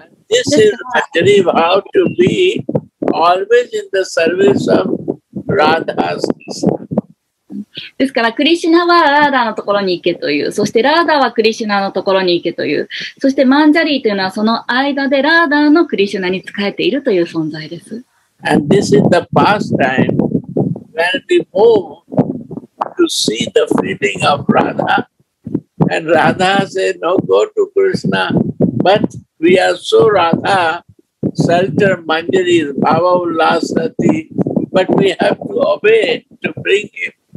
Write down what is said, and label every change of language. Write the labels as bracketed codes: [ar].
[en] This is actually how to be always in the service of Radha's Krishna. [ja] ですから、クリシュナはラーダのところに行けという、そしてラーダはクリシュナのところに行けという、そしてマンジャリーというのはその間でラーダのクリシュナに仕えているという存在です。 [en] And this is the past time when we move to see the feeling of Radha. And Radha said, no, go to Krishna. But we are so Radha, shelter Manjari, Bhava Ullasati, but we have to obey to bring him.